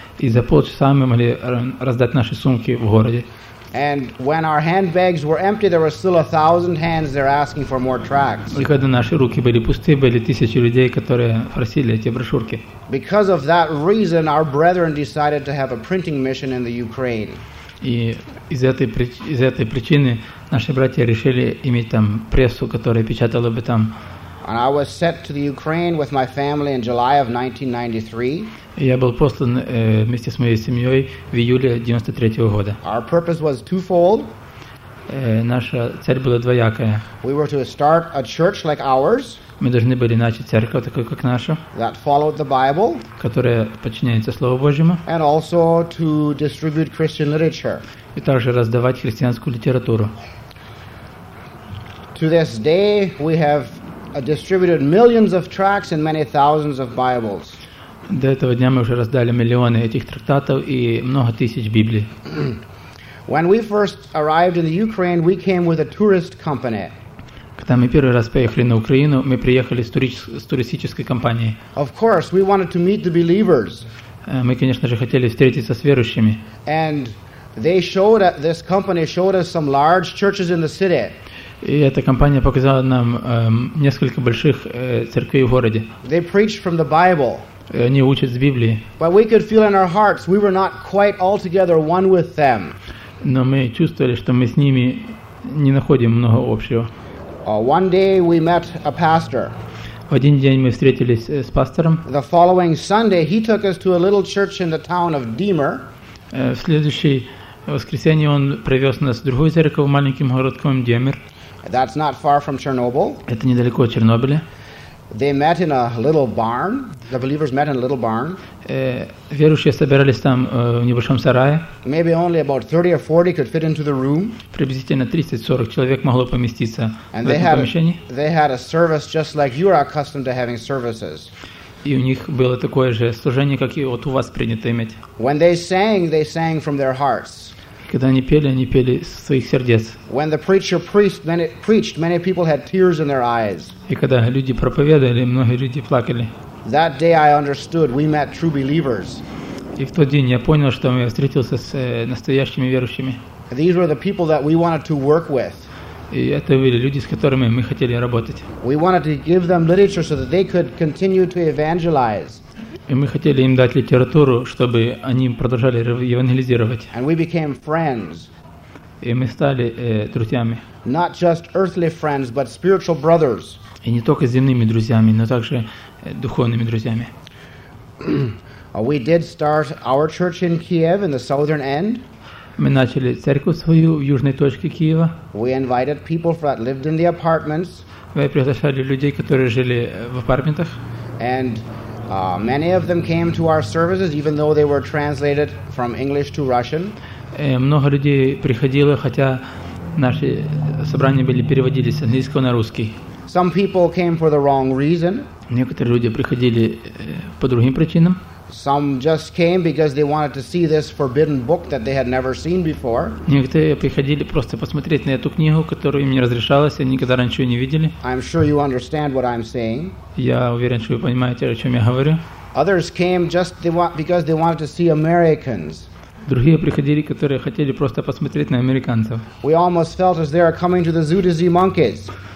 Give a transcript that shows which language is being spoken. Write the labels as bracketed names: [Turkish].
[Russian] и за полчаса мы могли раздать наши сумки в городе. [English] And when our handbags were empty, there were still 1,000 hands there asking for more tracts. [Russian] И когда наши руки были пусты, были тысячи людей, которые просили эти брошюрки. [English] Because of that reason, our brethren decided to have a printing mission in the Ukraine. [Russian] И из этой причины наши братья решили иметь там прессу, которая печатала бы там. [English] And I was sent to the Ukraine with my family in July of 1993. [Russian] Я был послан вместе с моей семьей в июле 93 года. [English] Our purpose was twofold. [Russian] Наша цель была двоякая. [English] We were to start a church like ours. [Russian] Мы должны были начать церковь такой как наша. [English] That followed the Bible. [Russian] Которая подчиняется Слову Божьему. [English] And also to distribute Christian literature. [Russian] И также раздавать христианскую литературу. [English] To this day, we have distributed millions of tracts and many thousands of Bibles. [Russian] До этого дня мы уже раздали миллионы этих трактатов и много тысяч Библий. [English] When we first arrived in the Ukraine, we came with a tourist company. [Russian] Когда мы первый раз поехали на Украину, мы приехали с туристической компанией. [English] Of course, we wanted to meet the believers. [Russian] Мы, конечно же, хотели встретиться с верующими. [English] And they showed us, this company showed us some large churches in the city. [Russian] И эта компания показала нам несколько больших церквей в городе. [English] They preached from the Bible. [Russian] Они учат с Библии. [English] But we could feel in our hearts we were not quite altogether one with them. [Russian] Но мы чувствовали, что мы с ними не находим много общего. [English] One day we met a pastor. [Russian] В один день мы встретились с пастором. [English] The following Sunday he took us to a little church in the town of Demer. [Russian] В следующий воскресенье он привез нас в другую церковь, в маленьким городком Демер. [English] That's not far from Chernobyl. [Russian] Это недалеко от Чернобыля. [English] They met in a little barn. The believers met in a little barn. [Russian] Верующие собирались там в небольшом сарае. [English] Maybe only about 30 or 40 could fit into the room. [Russian] Приблизительно 30-40 человек могло поместиться [English] and [Russian] в этом помещении. [English] They had a service just like you are accustomed to having services. [Russian] И у них было такое же служение, как и вот у вас принято иметь. [English] When they sang from their hearts. [Russian] Когда они пели из своих сердец. [English] When the preacher preached, many people had tears in their eyes. [Russian] И когда люди проповедовали, многие люди плакали. [English] That day I understood we met true believers. [Russian] И в тот день я понял, что я встретился с настоящими верующими. [English] These were the people that we wanted to work with. [Russian] И это были люди, с которыми мы хотели работать. [English] We wanted to give them literature so that they could continue to evangelize. [Russian] И мы хотели им дать литературу, чтобы они продолжали евангелизировать. [English] And we became friends. [Russian] И мы стали друзьями. [English] Not just earthly friends, but spiritual brothers. [Russian] И не только земными друзьями, но также духовными друзьями. [English] We did start our church in Kiev, in the southern end. [Russian] Мы начали церковь свою в южной точке Киева. [English] We invited people that lived in the apartments. [Russian] Мы приглашали людей, которые жили в апартментах. [English] And many of them came to our services, even though they were translated from English to Russian. [Russian] Много людей приходило, хотя наши собрания были переводились с английского на русский. [English] Some people came for the wrong reason. [Russian] Некоторые люди приходили по другим причинам. [English] Some just came because they wanted to see this forbidden book that they had never seen before. [Russian] Некоторые приходили просто посмотреть на эту книгу, которую им не разрешалось, они никогда раньше ее не видели. [English] I'm sure you understand what I'm saying. [Russian] Я уверен, что вы понимаете, о чем я говорю. [English] Others came just because they wanted to see Americans. [Russian] Другие приходили, которые хотели просто посмотреть на американцев. [English] We almost felt as they are coming to the zoo to see monkeys.